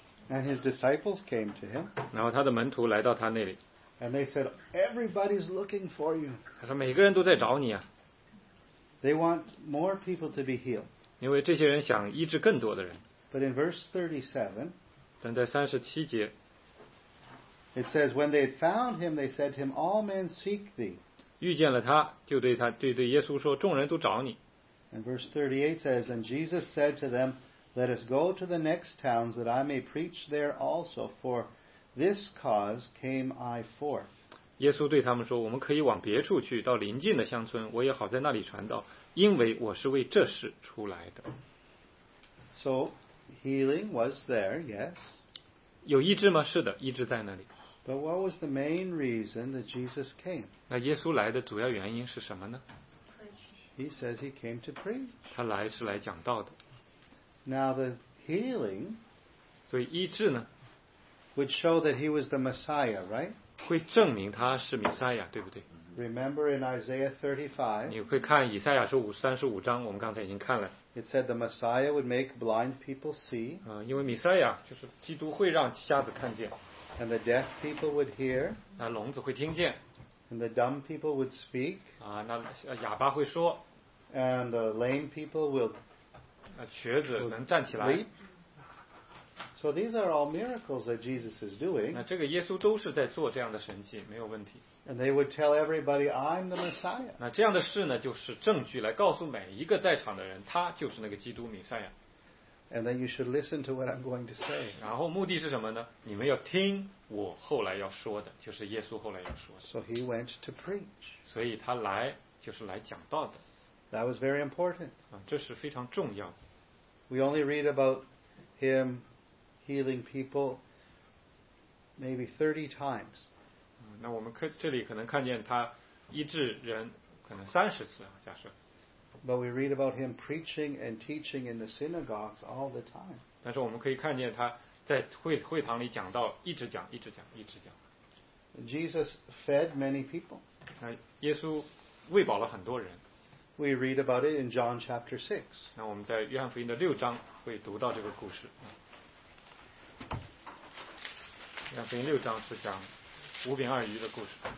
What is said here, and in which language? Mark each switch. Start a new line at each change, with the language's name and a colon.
English: And his disciples came to him.
Chinese: 然后他的门徒来到他那里。
English: And they said, everybody's looking for you.
Chinese: 他说每个人都在找你啊。
English: They want more people to be healed.
Chinese: 因为这些人想医治更多的人。
English: But in verse 37,
Chinese: 但在三十七节，
English: it says, when they found him, they said to him, all men seek thee.
Chinese: 遇见了他，就对他对耶稣说，众人都找你。
English: And verse 38 says, and Jesus said to them, let us go to the next towns that I may preach there also, for this cause came I forth.
Chinese: 耶稣对他们说，我们可以往别处去，到邻近的乡村，我也好在那里传道，因为我是为这事出来的。
English: So, healing was there, yes.
Chinese: 有医治吗？是的，医治在那里。
English: But what was the main reason that Jesus came?
Chinese: 那耶稣来的主要原因是什么呢？
English: He says he came to preach.
Chinese: 他来是来讲道的。
English: Now the healing,
Chinese: 所以医治呢，
English: would show that he was the Messiah, right?
Chinese: 会证明他是弥赛亚，对不对？
English: Remember in Isaiah 35.
Chinese: 你会看以赛亚书35章，我们刚才已经看了。
English: It said the Messiah would make blind people see.
Chinese: 因为弥赛亚就是基督会让瞎子看见。
English: And the deaf people would hear.
Chinese: 那聋子会听见。
English: And the dumb people would speak.
Chinese: 那哑巴会说。
English: And the lame people will.
Chinese: 瘸子能站起来。
English: So these are all miracles that Jesus is doing.
Chinese: 那这个耶稣都是在做这样的神迹，没有问题。
English: And they would tell everybody, I'm the Messiah.
Chinese: 那这样的事呢，就是证据来告诉每一个在场的人，他就是那个基督弥赛亚。
English: And then you should listen to what I'm going to say.
Chinese: 然后目的是什么呢？你们要听我后来要说的，就是耶稣后来要说的。
English: So he went to preach.
Chinese: 所以他来就是来讲道的。
English: That was very important.
Chinese: 这是非常重要的。
English: We only read about him healing people maybe 30 times.
Chinese: 那我们这里可能看见他医治人可能30次，假设。
English: But we read about him preaching and teaching in the synagogues all the time.
Chinese: 但是我们可以看见他在会堂里讲道，一直讲，一直讲，一直讲。
English: Jesus fed many people.
Chinese: 那耶稣喂饱了很多人。
English: We read about it in John chapter 6.
Chinese: 那我们在约翰福音的六章会读到这个故事。约翰福音六章是讲五饼二鱼的故事。